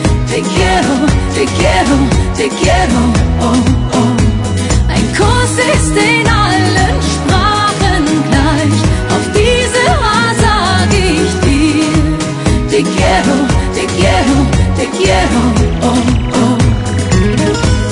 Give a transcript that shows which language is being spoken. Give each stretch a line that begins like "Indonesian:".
Spanish: Te quiero, te quiero, te quiero, oh, oh.
German: Ein Kuss ist in allen Sprachen gleich. Auf diese Art sag ich dir.
Spanish: Te quiero, te quiero, te quiero, oh, oh.